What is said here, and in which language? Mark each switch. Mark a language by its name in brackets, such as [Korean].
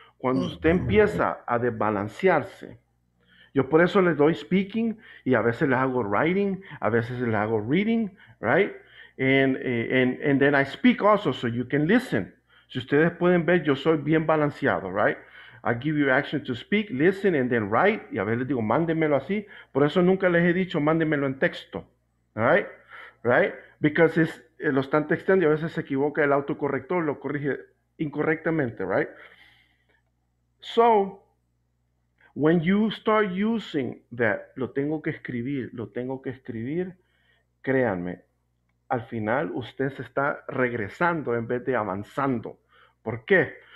[Spanish] Cuando usted empieza a desbalancearse, yo por eso les doy speaking y a veces les hago writing, a veces les hago reading, right? [English] And then I speak also so you can listen. [Spanish] Si ustedes pueden ver, yo soy bien balanceado, right? [English] I give you action to speak, listen, and then write. [Spanish] Y a veces les digo, mándenmelo así. Por eso nunca les he dicho, mándenmelo en texto. [English] Right? Right? Because it's, [Spanish] lo están textando y a veces se equivoca el autocorrector, lo corrige incorrectamente, right? [English] So, when you start using that, [Spanish] lo tengo que escribir, créanme, al final usted se está regresando en vez de avanzando. ¿Por qué?